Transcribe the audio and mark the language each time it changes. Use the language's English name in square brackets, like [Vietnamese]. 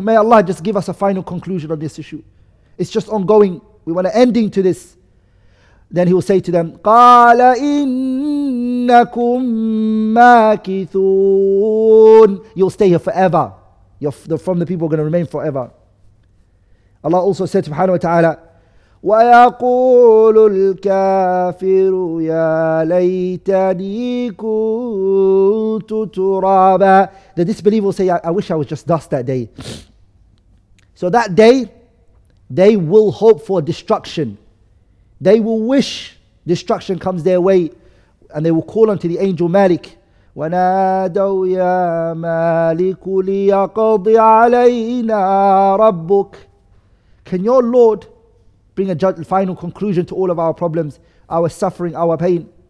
[English] May Allah just give us a final conclusion on this issue. It's just ongoing. We want an ending to this. Then he will say to them, قَالَ إِنَّكُمْ مَاكِثُونَ. You'll stay here forever. You're from the people who are going to remain forever. Allah also said, subhanahu wa ta'ala, [Arabic] وَيَقُولُ الْكَافِرُ يَا لَيْتَنِي كُنْتُ تُرَابًا. [English] The disbeliever will say, I wish I was just dust that day. So that day, they will hope for destruction. They will wish destruction comes their way. And they will call unto the angel Malik. وَنَادَوْ يَا مَالِكُ لِيَقَضِ عَلَيْنَا رَبُّكَ. Can your Lord bring a final conclusion to all of our problems, our suffering, our pain?